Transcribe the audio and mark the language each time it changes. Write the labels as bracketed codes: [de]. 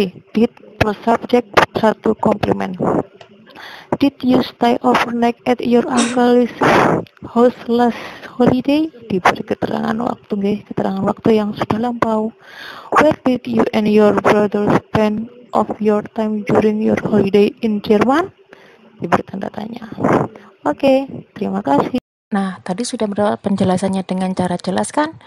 [en] Did plus subject [id] satu komplimen. [en] Did you stay overnight at your uncle's house last holiday? [id] Diberi keterangan waktu, nih, keterangan waktu yang sudah lampau. [en] Where did you and your brother spend of your time during your holiday in Jerman? [id] Diberi tanda tanya. Oke, terima kasih. Nah, tadi sudah mendapat penjelasannya dengan cara jelas kan?